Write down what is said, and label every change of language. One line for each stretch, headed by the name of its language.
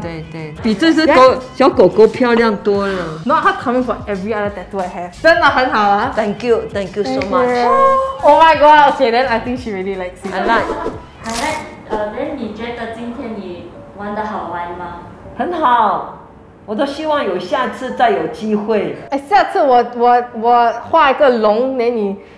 Chinese: 对，比这只狗小狗狗漂亮多了。
English: Not her coming for every other tattoo I have.
Chinese: 真的很好啊。
English: Thank you so much. Oh my god, okay, then I think she really likes it. I like. Then
Chinese: 你觉得今天你玩得好玩吗? 很好，我都希望有下次再有机会。哎，下次我画一个龙，连你